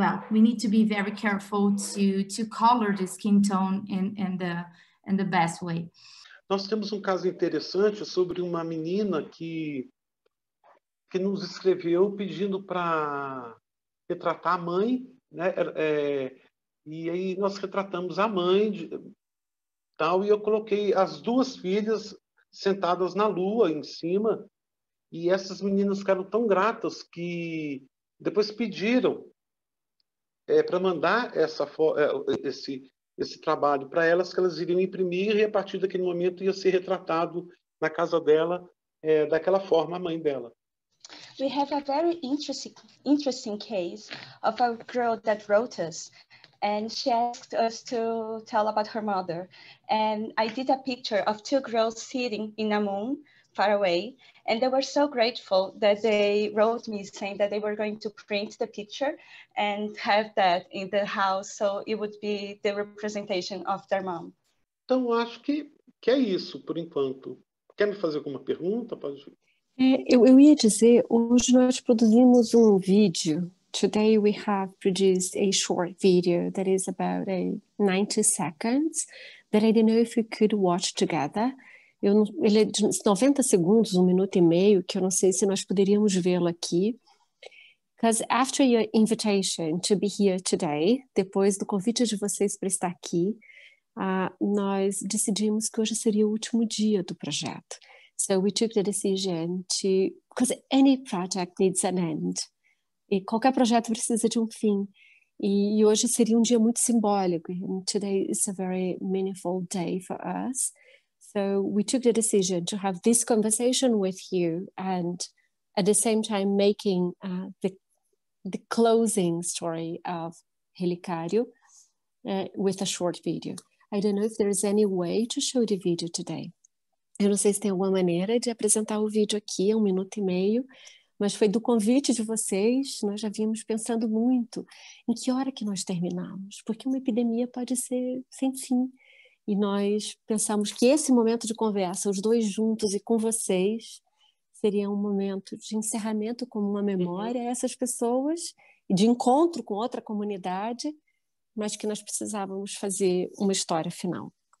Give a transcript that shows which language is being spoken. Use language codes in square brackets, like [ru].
[en] We need to be very careful to color the skin tone in the best way. [pt] Nós temos caso interessante sobre uma menina que nos escreveu pedindo para retratar a mãe. Né? E aí nós retratamos a mãe e eu coloquei as duas filhas sentadas na lua em cima, e essas meninas ficaram tão gratas que depois pediram para mandar esse trabalho para elas, que elas iriam imprimir, e a partir daquele momento ia ser retratado na casa dela daquela forma a mãe dela. [en] We have a very interesting case of a girl that wrote us, and she asked us to tell about her mother. And I did a picture of two girls sitting in a moon far away, and they were so grateful that they wrote me saying that they were going to print the picture and have that in the house, so it would be the representation of their mom. [pt] Então, acho que é isso por enquanto. Quer me fazer alguma pergunta? Pode. Eu ia dizer, hoje nós produzimos vídeo. [en] Today we have produced a short video that is about 90 seconds that I don't know if we could watch together. [pt] Ele é de 90 segundos, um minuto e meio, que eu não sei se nós poderíamos vê-lo aqui. [en] Because after your invitation to be here today, [pt] depois do convite de vocês para estar aqui, nós decidimos que hoje seria o último dia do projeto. [en] So we took the decision to, because any project needs an end. [pt] E qualquer projeto precisa de fim. E hoje seria dia muito simbólico. [en] And today is a very meaningful day for us. So we took the decision to have this conversation with you, and at the same time making the the closing story of Relicário with a short video. I don't know if there is any way to show the video today. [pt] Eu não sei se tem alguma maneira de apresentar o vídeo aqui, um minuto e meio, mas foi do convite de vocês, nós já vínhamos pensando muito em que hora que nós terminamos, porque uma epidemia pode ser sem fim. E nós pensamos que esse momento de conversa, os dois juntos e com vocês, seria um momento de encerramento como uma memória a essas pessoas, e de encontro com outra comunidade, mas que nós precisávamos fazer uma história final.